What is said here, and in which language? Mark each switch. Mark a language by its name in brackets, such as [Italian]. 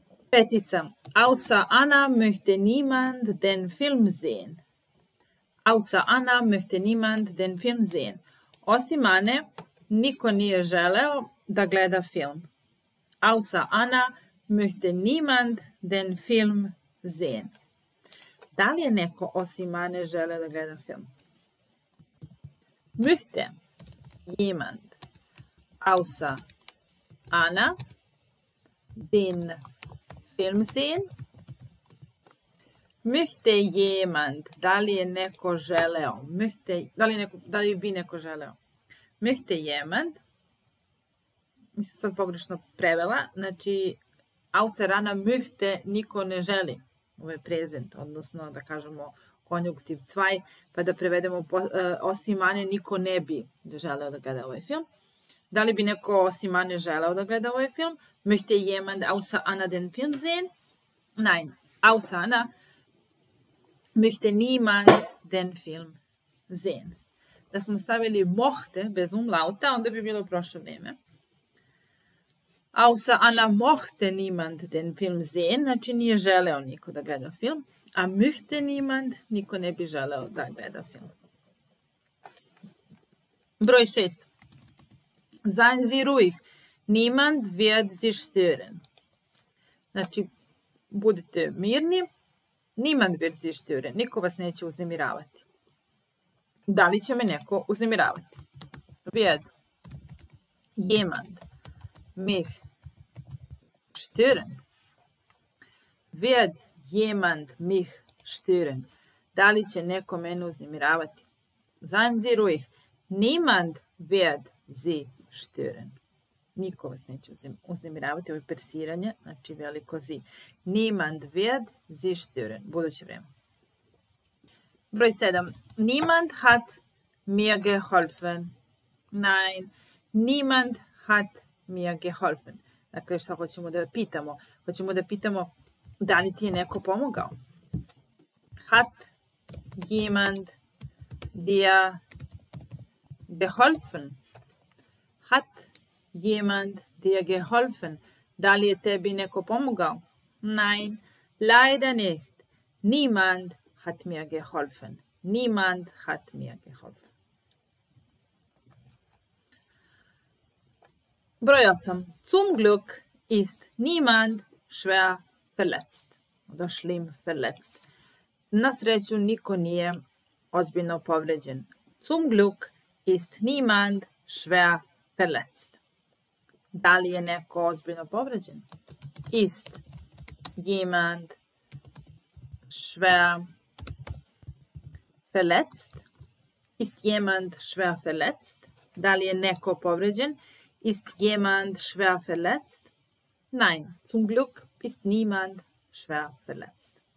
[Serbian] Petica. [German] Außer Anna möchte niemand den Film sehen. Außer Anna möchte niemand den Film sehen. [Serbian] Osim Ane, niko nije želeo da gleda film. [German] Außer Anna möchte niemand den Film sehen. [Serbian] Da li je neko osim mene žele da gleda film? [German] Möchte jemand außer Anna den Film sehen? Möchte jemand, [Serbian] da li je neko želeo? Möchte, da li neko, da li bi neko želeo? [German] Möchte jemand? [Serbian] Mislim sad pogrešno prevela, znači [German] außer Anna möchte [Serbian] niko ne želi. Ovo je prezent, odnosno da kažemo konjuktiv cvaj, pa da prevedemo osim mane niko ne bi želeo da gleda ovaj film. Da li bi neko osim mane želeo da gleda ovaj film? [German] Möchte jemand außer Anna den Film sehen? Nein, außer Anna möchte niemand den Film sehen. [Serbian] Da smo stavili mochte bez umlauta, onda bi bilo prošlo vreme. [German] Außer Anna mochte niemand den Film sehen, [Serbian] znači nije želeo niko da gleda film. A [German] möchte niemand, [Serbian] niko ne bi želeo da gleda film. Broj 6. [German] Sein Sie ruhig. Niemand wird Sie stören. [Serbian] Znači, budite mirni. [German] Niemand wird Sie stören. [Serbian] Niko vas neće uznemiravati. Da li će me neko uznemiravati? [German] Wird jemand mich stören? Wird jemand mich stören? [Serbian] Da li će neko mene uznemiravati? [German] Sein Sie ruhig. Niemand wird sie stören. [Serbian] Niko vas neće uznemiravati. Ovo je persiranje, znači veliko zi. [German] Niemand wird sie stören. [Serbian] Buduće vreme. Broj 7. [German] Niemand hat mir geholfen. Nein. Niemand hat mir geholfen. [Serbian] Dakle, šta hoćemo da pitamo? Hoćemo da pitamo da li ti je neko pomogao? [German] Hat jemand dir geholfen? Hat jemand dir geholfen? [Serbian] Da li je tebi neko pomogao? [German] Nein, leider nicht. Niemand hat mir geholfen. Niemand hat mir geholfen. [Serbian] Broj 8. [German] Zum Glück ist niemand schwer verletzt. Oder schlimm verletzt. [Serbian] Na sreću, niko nije ozbiljno povređen. [German] Zum Glück ist niemand schwer verletzt. [Serbian] Da li je neko ozbiljno povređen? [German] Ist jemand schwer verletzt? Ist jemand schwer verletzt? [Serbian] Da li je neko povređen? [German] Ist jemand schwer verletzt? Nein, zum Glück ist niemand schwer verletzt.